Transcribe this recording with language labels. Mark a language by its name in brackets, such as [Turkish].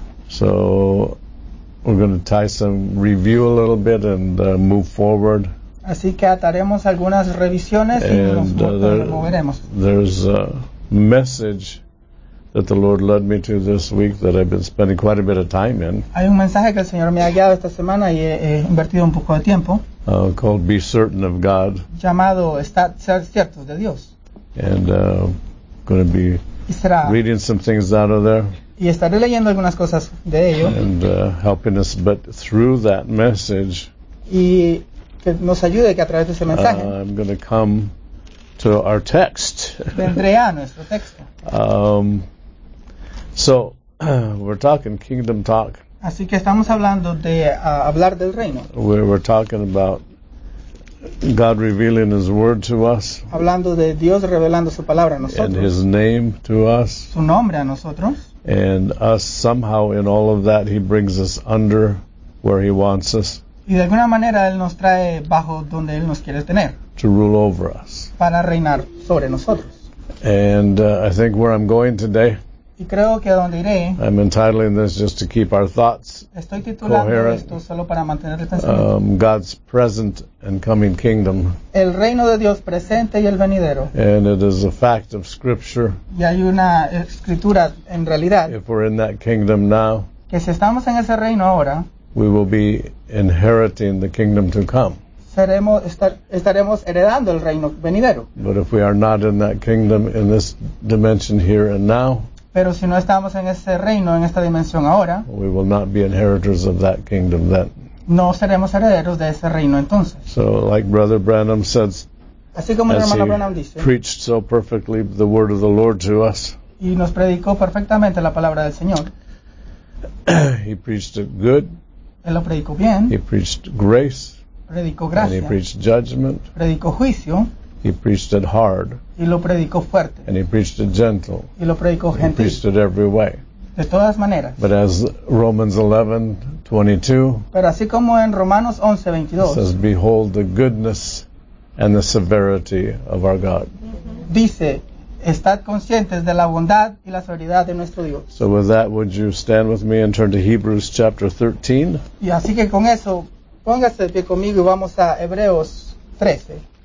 [English] So we're going to tie some review a little bit and move forward. [Spanish] Así que ataremos algunas revisiones y nos moveremos. [English] There's a message that the Lord led me to this week that I've been spending quite a bit of time in. [Spanish] Hay un mensaje que el Señor me ha guiado esta semana y he invertido un poco de tiempo. [English] Called Be Certain of God. [Spanish] Llamado Estad Ciertos de Dios. [English] And going to be reading some things out of there. [Spanish] Y estaré leyendo algunas cosas de ello. [English] And helping us, but through that message. [Spanish] Y que nos ayude que a través de ese mensaje. [English] I'm going to come to our text. [Spanish] Vendré a nuestro texto. [English] We're talking kingdom talk. [Spanish] Así que estamos hablando de hablar del reino. [English] We're talking about God revealing his word to us. [Spanish] Hablando de Dios revelando su palabra a nosotros. [English] And his name to us. [Spanish] Su nombre a nosotros. [English] And us somehow in all of that he brings us under where he wants us. [Spanish] Y de alguna manera él nos trae bajo donde él nos quiere tener. [English] To rule over us. [Spanish] Para reinar sobre nosotros. [English] And I think where I'm going today. [Spanish] Y creo que donde iré. [English] I'm entitling this just to keep our thoughts coherent. [Spanish] Estoy titulando esto solo para mantener el pensamiento. [English] God's present and coming kingdom. [Spanish] El reino de Dios presente y el venidero. [English] And it is a fact of scripture. [Spanish] Y hay una escritura en realidad. [English] If we're in that kingdom now. [Spanish] Que si estamos en ese reino ahora. [English] We will be inheriting the kingdom to come. [Spanish] Estaremos heredando el reino venidero. [English] But if we are not in that kingdom in this dimension here and now, [Spanish] pero si no estamos en ese reino en esta dimensión ahora, [English] we will not be inheritors of that kingdom then. [Spanish] No seremos herederos de ese reino entonces. [English] So like Brother Branham says, [Spanish] Así como [English] as [Spanish] el hermano [English] he [Spanish] Branham dice, [English] preached so perfectly the word of the Lord to us. [Spanish] Y nos predicó perfectamente la palabra del Señor. [English] He preached it good. [Spanish] Él lo predicó bien. [English] He preached grace. [Spanish] Predicó gracia. [English] And he preached judgment. [Spanish] Predicó juicio. [English] He preached it hard. [Spanish] Y lo predicó fuerte. [English] And he preached it gentle. [Spanish] Y lo predicó gentil. [English] He preached it every way. [Spanish] De todas maneras. [English] But as Romans 11:22. [Spanish] Pero así como en Romanos 11:22. [English] Says, behold the goodness and the severity of our God. [Spanish] Dice, estad conscientes de la bondad y la severidad de nuestro Dios. [English] So with that, would you stand with me and turn to Hebrews chapter 13? [Spanish] Y así que con eso, póngase de pie conmigo y vamos a Hebreos 13.